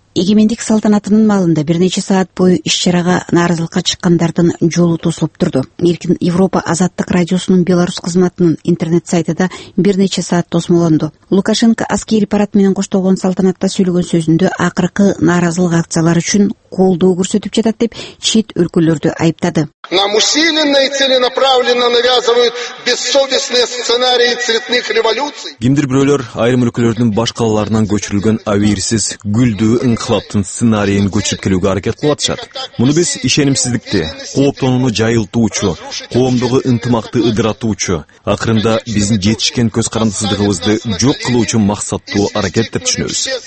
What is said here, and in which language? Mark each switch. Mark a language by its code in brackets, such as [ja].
[ky] Эгемендик салтанатынын маалында бир нече саат бою иш чарага нааразылыкка чыккандардын жолу тосулуп турду. Эркин Европа Азаттык радиосунун Беларусь кызматынын интернет сайтында бир нече саат тосмолонду. Лукашенко аскери парад менен коштолгон салтанатта сүйлөгөн сөзүндө акыркы нааразылык акциялары үчүн колдоо көрсөтүп жатат деп чет өлкөлөрдү айыптады. [ru] Нам усиленно и целенаправленно навязывают бессовестные сценарии цветных революций. [ky] Кимдир бирөөлөр айрым өлкөлөрдүн баш калаларынан көчүрүлгөн авирсиз гүлдүү инкылаптын сценарийин көчүрүп келүүгө аракет кылып атышат. Муну биз ишенимсиздикти, кооптонууну жайылтуучу, коомдогу ынтымакты ыдыратуучу, акырында биздин жетишкен көз карандысыздыгыбызды жок кылуучу максаттуу аракет деп түшүнөбүз.